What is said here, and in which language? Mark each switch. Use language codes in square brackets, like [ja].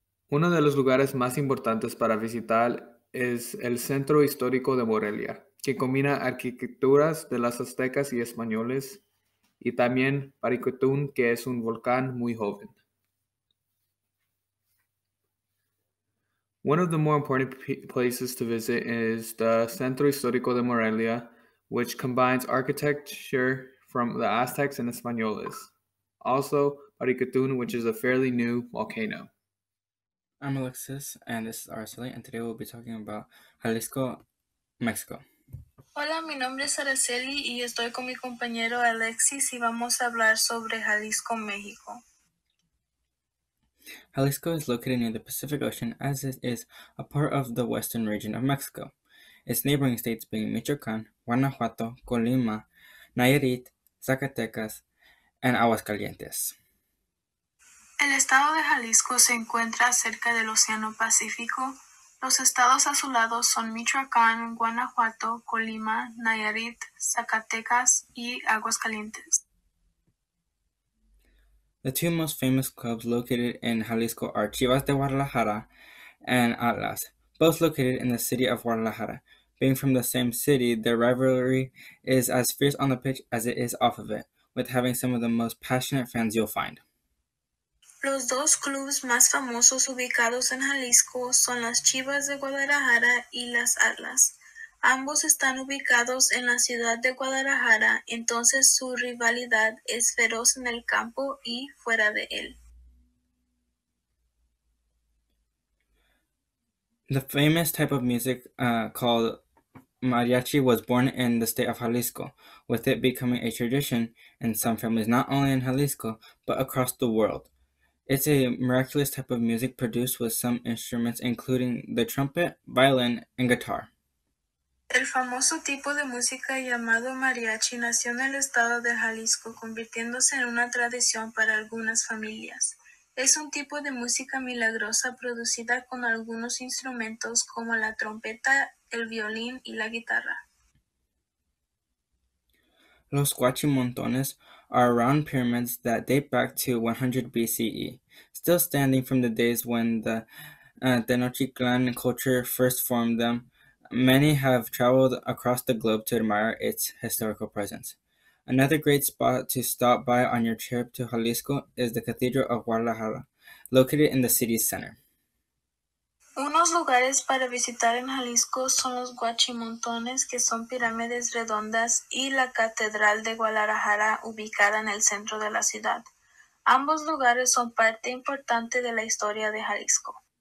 [es] Uno de los lugares más importantes para visitar es el Centro Histórico de Morelia, que combina arquitecturas de las aztecas y españoles, y también Paricutún, que es un volcán muy joven. [en] One of the more important places to visit is the Centro Histórico de Morelia, which combines architecture from the Aztecs and Españoles. Also, Paricutún, which is a fairly new volcano. I'm Alexis, and this is Araceli, and today we'll be talking about Jalisco, Mexico. [es] Hola, mi nombre es Araceli y estoy con mi compañero Alexis y vamos a hablar sobre Jalisco, México. [en] Jalisco is located near the Pacific Ocean, as it is a part of the western region of Mexico. Its neighboring states being Michoacán, Guanajuato, Colima, Nayarit, Zacatecas, and Aguascalientes. [es] El estado de Jalisco se encuentra cerca del Océano Pacífico. Los estados azulados son Michoacán, Guanajuato, Colima, Nayarit, Zacatecas y Aguascalientes. [en] The two most famous clubs located in Jalisco are Chivas de Guadalajara and Atlas, both located in the city of Guadalajara. Being from the same city, their rivalry is as fierce on the pitch as it is off of it, with having some of the most passionate fans you'll find. [es] Los dos clubes más famosos ubicados en Jalisco son las Chivas de Guadalajara y las Atlas. Ambos están ubicados en la ciudad de Guadalajara, entonces su rivalidad es feroz en el campo y fuera de él. [en] The famous type of music called mariachi was born in the state of Jalisco, with it becoming a tradition in some families not only in Jalisco, but across the world. It's a miraculous type of music produced with some instruments including the trumpet, violin, and guitar. [es] El famoso tipo de música llamado mariachi nació en el estado de Jalisco, convirtiéndose en una tradición para algunas familias. Es un tipo de música milagrosa producida con algunos instrumentos como la trompeta, el violín y la guitarra. [en] Los Guachimontones are round pyramids that date back to 100 BCE, still standing from the days when the Tenochtitlan culture first formed them. Many have traveled across the globe to admire its historical presence. Another great spot to stop by on your trip to Jalisco is the Cathedral of Guadalajara, located in the city's center. [es] Unos lugares para visitar en Jalisco son los Guachimontones, que son pirámides redondas, y la Catedral de Guadalajara, ubicada en el centro de la ciudad. Ambos lugares son parte importante de la historia de Jalisco.